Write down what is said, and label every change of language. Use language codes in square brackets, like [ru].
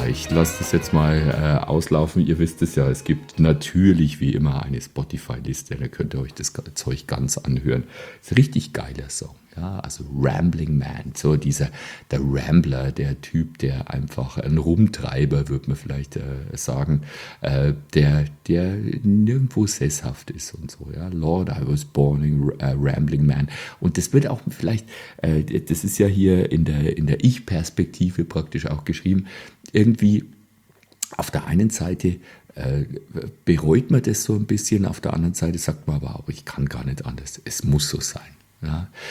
[de] Lasst es jetzt mal auslaufen. Ihr wisst es ja, es gibt natürlich wie immer eine Spotify-Liste, da könnt ihr euch das Zeug ganz anhören. Ist ein richtig geiler Song. Ja? Also Rambling Man, so dieser der Rambler, der Typ, der einfach ein Rumtreiber, würde man vielleicht sagen, der nirgendwo sesshaft ist und so. Ja? [en] Lord, I was born in a Rambling Man. [de] Und das wird auch vielleicht, das ist ja hier in der Ich-Perspektive praktisch auch geschrieben, irgendwie auf der einen Seite bereut man das so ein bisschen, auf der anderen Seite sagt man aber ich kann gar nicht anders, es muss so sein. Ja?